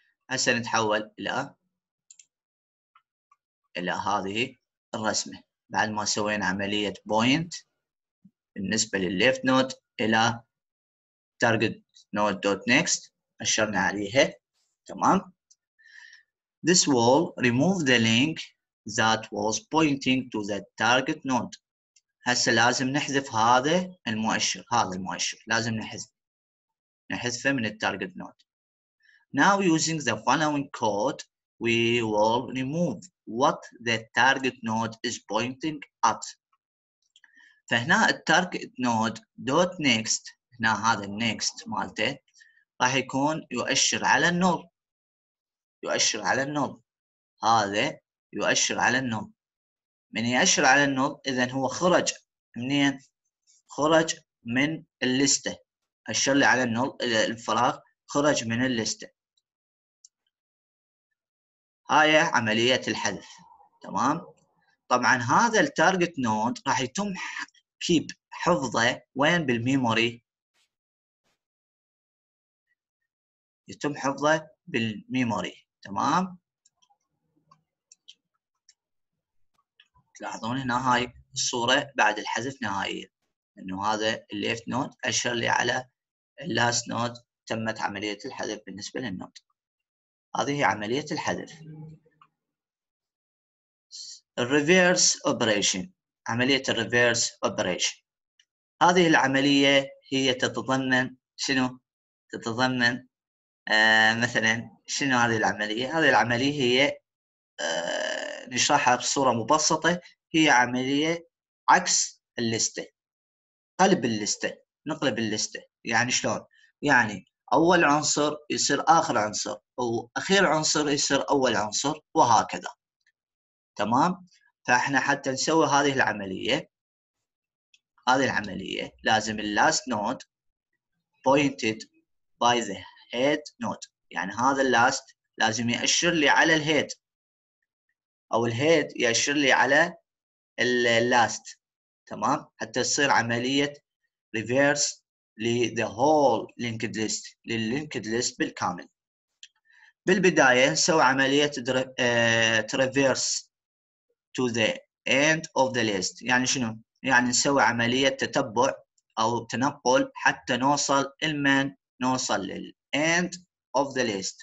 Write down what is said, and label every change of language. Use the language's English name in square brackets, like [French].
[Arabic] هسه نتحول الى هذه الرسمه بعد ما سوينا عمليه بوينت بالنسبه للليفت نوت الى تارجت نوت دوت نيكست اشرنا عليها. تمام. [English] This wall remove the link that was pointing to the target node. [Arabic] هسه لازم نحذف هذا المؤشر لازم نحذفه من التارجت نوت. [English] Now using the following code we will remove what the target node is pointing at. [Arabic] فهنا التارجت نود دوت نيكست، هنا هذا النيكست مالته راح يكون يؤشر على النول، يؤشر على النول، هذا يؤشر على النول. من يؤشر على النول اذا هو خرج منين؟ خرج من الليسته. اشر لي على النول الى الفراغ، خرج من الليسته. هاي عملية الحذف. تمام. طبعا هذا التارجت نود راح يتم كيب حفظه وين بالميموري؟ يتم حفظه بالميموري. تمام. تلاحظون هنا هاي الصورة بعد الحذف نهائيا، انه هذا الليفت نود اشر لي على اللاست نود، تمت عملية الحذف بالنسبة للنود. هذه هي عملية الحذف. [English] Reverse operation، عملية reverse operation. [Arabic] هذه العملية هي تتضمن شنو؟ تتضمن مثلا شنو هذه العملية؟ هذه العملية هي نشرحها بصورة مبسطة، هي عملية عكس الليستة، قلب الليستة، نقلب الليستة. يعني شلون؟ يعني أول عنصر يصير آخر عنصر، وأخير عنصر يصير أول عنصر، وهكذا. تمام؟ فإحنا حتى نسوي هذه العملية، هذه العملية لازم الـ [English] last node pointed by the head node. [Arabic] يعني هذا الـ last لازم يأشر لي على الـ head، أو الـ head يأشر لي على الـ last. تمام؟ حتى تصير عملية reverse لـ [English] the whole linked list، [Arabic] للـ linked list بالكامل. بالبداية نسوي عملية [English] traverse to the end of the list. [Arabic] يعني شنو؟ يعني نسوي عملية تتبع أو تنقل حتى نوصل المن، نوصل لل [English] end of the list.